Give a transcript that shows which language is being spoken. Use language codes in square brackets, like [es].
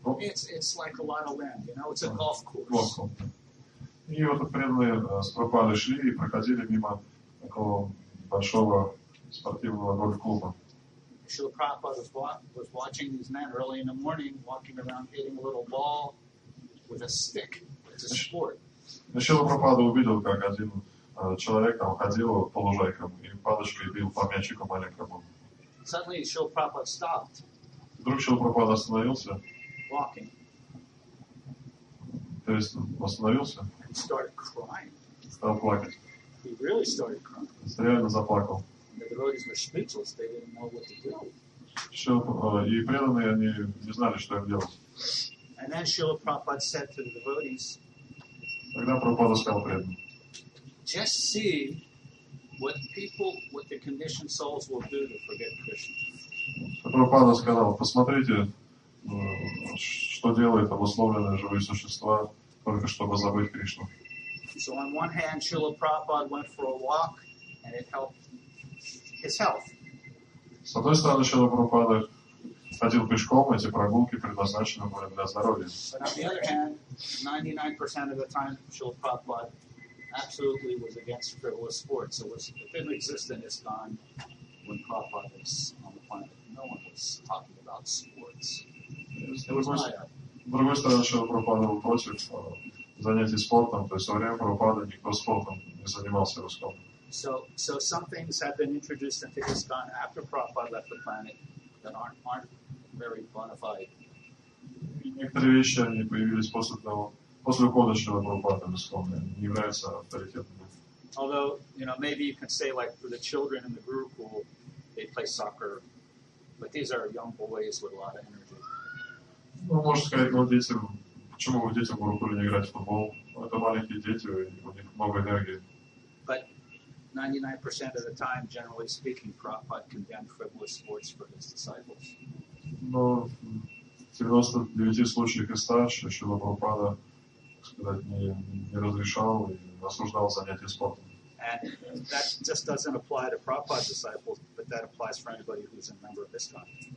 [en] Oh. It's like a lot of land, it's a golf course. Golf club. [ru] И вот преданные с Прабхупады шли и проходили мимо такого большого спортивного гольф-клуба. [en] Шрила Прабхупада was watching these men early in the morning, walking around hitting a little ball with a stick. It's a sport. [ru] Шрила Прабхупада увидел, как один человек там ходил по лужайкам и палочкой бил по мячику маленькому. [en] Suddenly Шрила Прабхупада stopped. [ru] Вдруг Шрила Прабхупада остановился. [en] Walking. [ru] То есть остановился. [en] And started crying. [ru] Стал плакать. [en] He really started crying. [ru] Реально заплакал. [en] The devotees were speechless. They didn't know what to do. [ru] И преданные, они не знали, что им делать. [en] And then Srila Prabhupada said to the devotees, [ru] тогда Прабхупада сказал преданным, [en] just see what people with the conditioned souls will do to forget Krishna. [ru] Прабхупада сказал, посмотрите, что делают обусловленные живые существа, только чтобы забыть Кришну. [en] So on one hand, Srila Prabhupada went for a walk, and it helped his health. [ru] С одной стороны, Шрила Прабхупада ходил пешком, эти прогулки предназначены были для здоровья. [en] But on the other hand, 99% of the time, Шрила Прабхупада absolutely was against frivolous sports. It was thinly existent is gone when Prabhupada was on the planet. No one was talking about sports. [ru] С другой стороны, Шрила Прабхупада был против занятий спортом, то есть во время Прабхупады никто спортом не занимался русском. [en] So some things have been introduced into ISKCON after Prabhupada left the planet that aren't very bona fide. [ru] Некоторые вещи они появились после того, после ухода Шрилы Прабхупады из ISKCON, не являются авторитетными. [en] Although, you know, maybe you can say like for the children in the group who they play soccer, but these are young boys with a lot of energy. [ru] Ну, можно сказать, ну, детям, почему бы детям в группе не играть в футбол? Это маленькие дети, у них много энергии. [en] 99% of the time, generally speaking, Prabhupada condemned frivolous sports for his disciples. [ru] Но в 99 случаях из 100 Шрила Прабхупада, так сказать, не разрешал и осуждал занятия спортом. [en] And that just doesn't apply to Prabhupada's disciples, but that applies for anybody who's a member of this time.